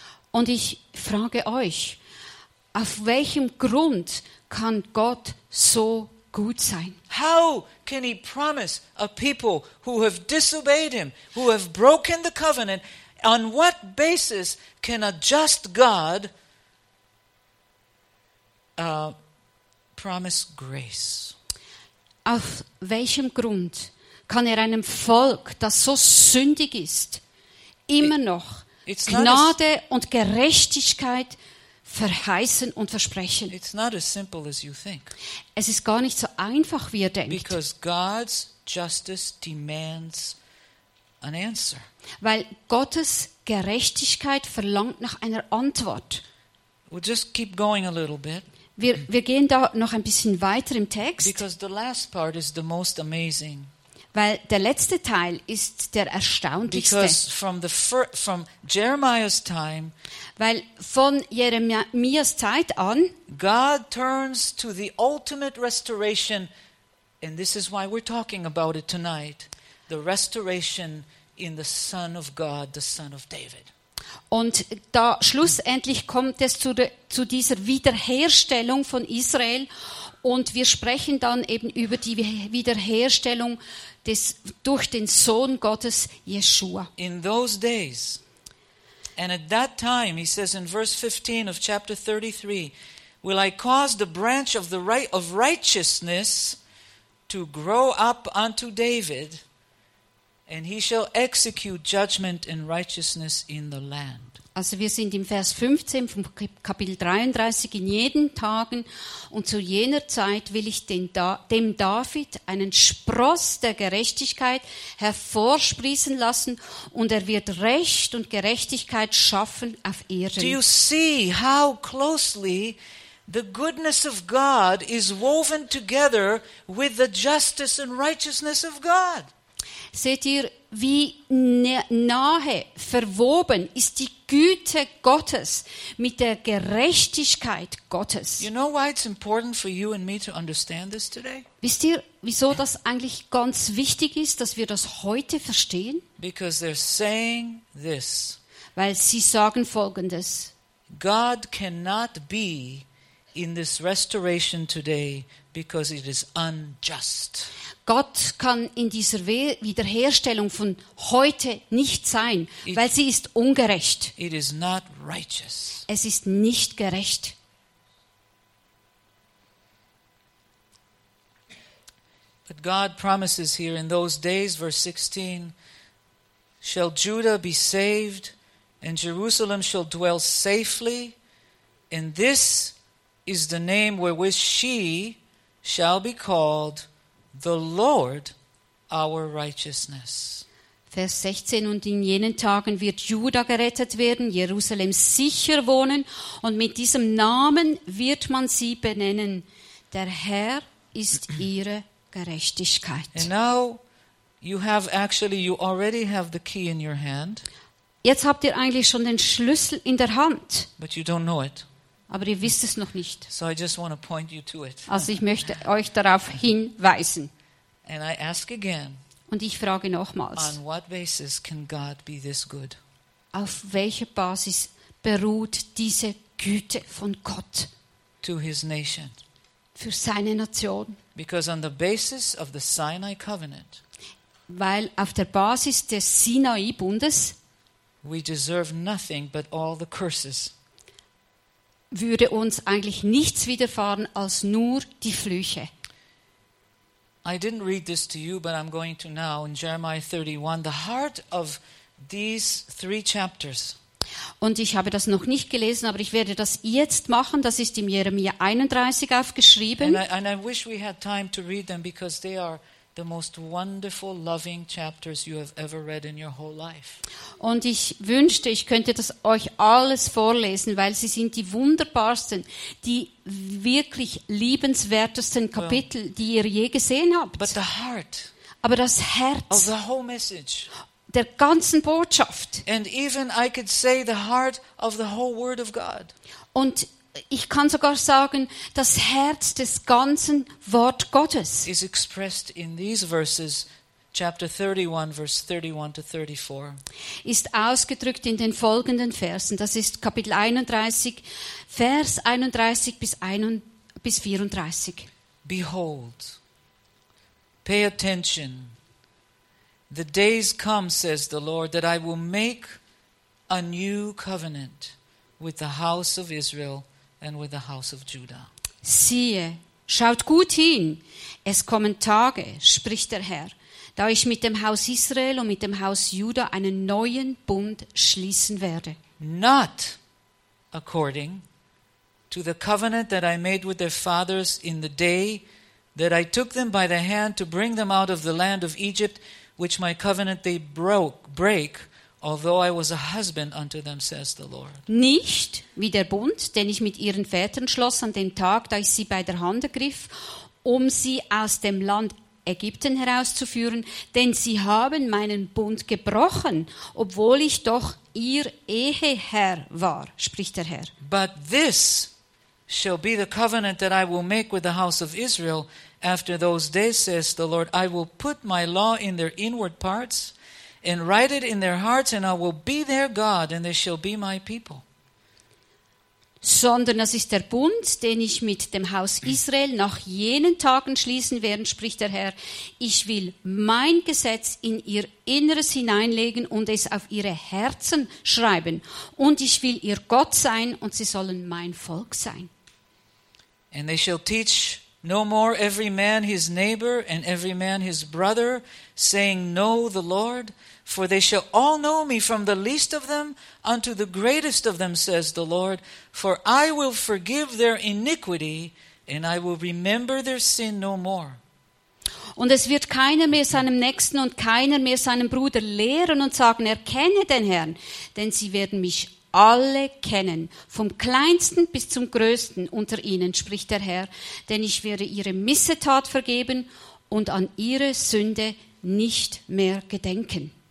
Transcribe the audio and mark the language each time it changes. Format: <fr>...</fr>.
<de>Und ich frage euch, auf welchem Grund kann Gott so gut sein?</de> <en>How can he promise a people who have disobeyed him, who have broken the covenant, on what basis can a just God promise grace?</en> <de>Auf welchem Grund kann er einem Volk, das so sündig ist, immer noch Gnade und Gerechtigkeit verheißen und versprechen?</de> <en>It's not as simple as you think.</en> <de>Es ist gar nicht so einfach, wie ihr denkt.</de> <en>Because God's justice demands an answer.</en> <de>Weil Gottes Gerechtigkeit verlangt nach einer Antwort.</de> <en>We'll just keep going a little bit.</en> <de>Wir gehen da noch ein bisschen weiter im Text.</de> <en>Because the last part is the most amazing.</en> <de>Weil der letzte Teil ist der erstaunlichste.</de> <en>Because from Jeremiah's time,</en> <de>weil von Jeremias Zeit an,</de> <en>God turns to the ultimate restoration, and this is why we're talking about it tonight, the restoration in the Son of God, the Son of David.</en> <de>Und da schlussendlich kommt es zu dieser Wiederherstellung von Israel, und wir sprechen dann eben über die Wiederherstellung durch den Sohn Gottes Jeshua.</de> <en>In those days, and at that time, he says in verse 15 of chapter 33, will I cause the branch of the right of righteousness to grow up unto David, and he shall execute judgment and righteousness in the land.</en> <de>Also wir sind im Vers 15 vom Kapitel 33, in jenen Tagen und zu jener Zeit will ich dem David einen Spross der Gerechtigkeit hervorsprießen lassen und er wird Recht und Gerechtigkeit schaffen auf Erden.</de> <en>Do you see how closely the goodness of God is woven together with the justice and righteousness of God?</en> <de>Seht ihr, wie nahe verwoben ist die Güte Gottes mit der Gerechtigkeit Gottes.</de> <en>You know why it's important for you and me to understand this today?</en> <de>Wisst ihr, wieso das eigentlich ganz wichtig ist, dass wir das heute verstehen?</de> <en>Because they're saying this.</en> <de>Weil sie sagen Folgendes.</de> <en>God cannot be in this restoration today because it is unjust.</en> <de>Gott kann in dieser Wiederherstellung von heute nicht sein, weil sie ist ungerecht.</de> <en>It is not righteous.</en> <de>Es ist nicht gerecht.</de> <en>But God promises here in those days, verse 16, shall Judah be saved and Jerusalem shall dwell safely, and this is the name wherewith she shall be called the Lord, our righteousness.</en> <de>Vers 16, und in jenen Tagen wird Juda gerettet werden, Jerusalem sicher wohnen, und mit diesem Namen wird man sie benennen. Der Herr ist ihre Gerechtigkeit.</de> <en>And now you have actually, you already have the key in your hand.</en> <de>Jetzt habt ihr eigentlich schon den Schlüssel in der Hand.</de> <en>But you don't know it.</en> <de>Aber ihr wisst es noch nicht.</de> <en>So I just want to point you to it.</en> <de>Also ich möchte euch darauf hinweisen.</de> <en>And I ask again,</en> <de>und ich frage nochmals,</de> <en>on what basis can God be this good?</en> <de>Auf welcher Basis beruht diese Güte von Gott?</de> <en>To his nation.</en> <de>Für seine Nation.</de> <en>Because on the basis of the Sinai covenant,</en> <de>Weil auf der Basis des Sinai-Bundes</de> <en>we deserve nothing but all the curses.</en> <de>Würde uns eigentlich nichts widerfahren als nur die Flüche.</de> <en>I didn't read this to you, but I'm going to now in Jeremiah 31, the heart of these three chapters.</en> <de>Und ich habe das noch nicht gelesen, aber ich werde das jetzt machen. Das ist im Jeremia 31 aufgeschrieben.</de> <en>And I wish we had time to read them because they are the most wonderful, loving chapters you have ever read in your whole life.</en> <de>Und ich wünschte, ich könnte das euch alles vorlesen, weil sie sind die wunderbarsten, die wirklich liebenswertesten Kapitel, well, die ihr je gesehen habt.</de> <en>But the heart,</en> <de>aber das Herz</de> <en>of the whole message,</en> <de>der ganzen Botschaft,</de> <en>and even I could say the heart of the whole Word of God.</en> <de>Und ich kann sogar sagen, das Herz des ganzen Wort Gottes</de> <en>is expressed in these verses, chapter 31, verse 31 to 34.</en> <de>Ist ausgedrückt in den folgenden Versen. Das ist Kapitel 31, Vers 31 bis 34.</de> <en>Behold, pay attention. The days come, says the Lord, that I will make a new covenant with the house of Israel and with the house of Judah.</en> <de>Siehe, schaut gut hin. Es kommen Tage, spricht der Herr, da ich mit dem Haus Israel und mit dem Haus Juda einen neuen Bund schließen werde.</de> <en>Not according to the covenant that I made with their fathers in the day that I took them by the hand to bring them out of the land of Egypt, which my covenant they break. Although I was a husband unto them, says the Lord.</en> <de>Nicht wie der Bund, den ich mit ihren Vätern schloss an dem Tag, da ich sie bei der Hand ergriff, um sie aus dem Land Ägypten herauszuführen, denn sie haben meinen Bund gebrochen, obwohl ich doch ihr Eheherr war, spricht der Herr.</de> <en>But this shall be the covenant that I will make with the house of Israel after those days, says the Lord. I will put my law in their inward parts, and write it in their hearts, and I will be their God, and they shall be my people.</en> <de>Sondern das ist der Bund, den ich mit dem Haus Israel nach jenen Tagen schließen werde, spricht der Herr. Ich will mein Gesetz in ihr Inneres hineinlegen und es auf ihre Herzen schreiben. Und ich will ihr Gott sein, und sie sollen mein Volk sein.</de> <en>And they shall teach no more every man his neighbor and every man his brother, saying, Know the Lord. For they shall all know me, from the least of them unto the greatest of them, says the Lord. For I will forgive their iniquity, and I will remember their sin no more.</en> <de>Und es wird keiner mehr seinem Nächsten und keiner mehr seinem Bruder lehren und sagen, erkenne den Herrn. Denn sie werden mich alle kennen, vom Kleinsten bis zum Größten unter ihnen, spricht der Herr. Denn ich werde ihre Missetat vergeben und an ihre Sünde nicht mehr gedenken.</de>